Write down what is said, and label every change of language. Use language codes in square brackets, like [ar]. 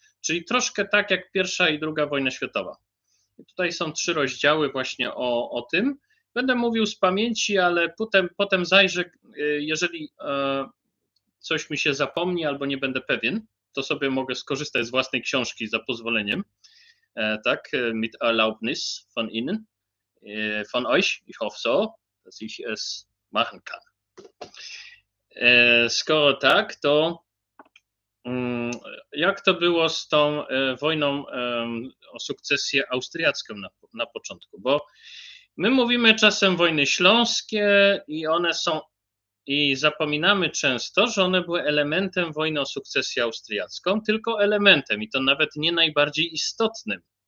[pl] Czyli troszkę tak jak pierwsza i druga wojna światowa. I tutaj są trzy rozdziały właśnie o tym. Będę mówił z pamięci, ale potem zajrzę, jeżeli coś mi się zapomni albo nie będę pewien, to sobie mogę skorzystać z własnej książki za pozwoleniem. [de] Tak, mit Erlaubnis von Ihnen, von euch, ich hoffe so, dass ich es machen kann. [pl] Skoro tak, to jak to było z tą wojną o sukcesję austriacką na początku? Bo my mówimy czasem wojny śląskie i one są, i zapominamy często, że one były elementem wojny o sukcesję austriacką, tylko elementem i to nawet nie najbardziej istotnym.